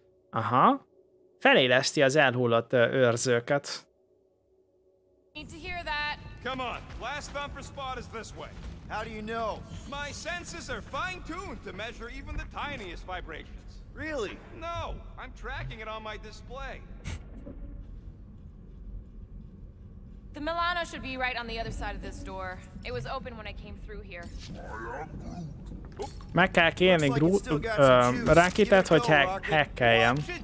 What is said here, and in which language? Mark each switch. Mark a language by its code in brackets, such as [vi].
[hu] Aha. Feléleszti az elhullott őrzőket. [en] Need to hear that. Come on, last bumper spot is this way. How do you know? My senses are fine-tuned to measure even the tiniest vibrations. Really? No, I'm tracking it on my display. The Milano should be right on the other side of this door. It was open when I came through here. [hu] Meg kell kérni Groot Rakitát, hogy hackeljem.